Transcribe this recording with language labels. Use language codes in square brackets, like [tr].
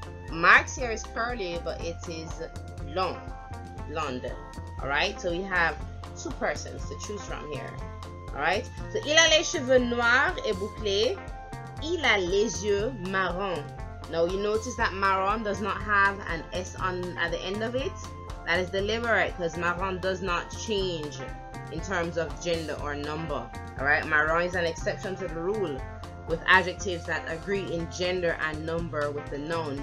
[en] Mark's hair is curly, but it is long. Blonde. Alright, so we have two persons to choose from here. Alright, so [fr] il a les cheveux noirs et bouclés. Il a les yeux marrons. [en] Now you notice that marron does not have an S on at the end of it. That is deliberate because marron does not change in terms of gender or number. Alright, marron is an exception to the rule with adjectives that agree in gender and number with the noun.